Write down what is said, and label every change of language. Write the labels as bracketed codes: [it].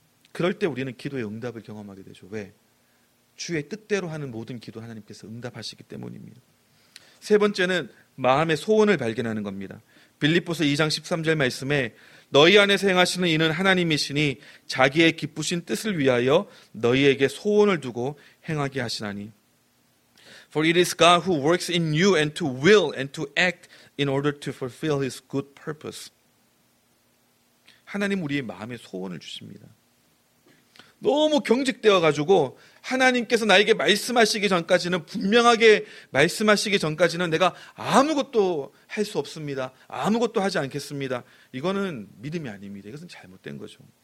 [ko] 그럴 때 우리는 기도의 응답을 경험하게 되죠. 왜? 주의 뜻대로 하는 모든 기도 하나님께서 응답하시기 때문입니다. 세 번째는 마음의 소원을 발견하는 겁니다. 빌립보서 2장 13절 말씀에 너희 안에서 행하시는 이는 하나님이시니 자기의 기쁘신 뜻을 위하여 너희에게 소원을 두고 행하게 하시나니. [en] For it is God who works in you and to will and to act in order to fulfill his good purpose. [ko] 하나님 우리의 마음에 소원을 주십니다. 너무 경직되어가지고 하나님께서 나에게 말씀하시기 전까지는 분명하게 말씀하시기 전까지는 내가 아무것도 할 수 없습니다. 아무것도 하지 않겠습니다. 이거는 믿음이 아닙니다. 이것은 잘못된 거죠.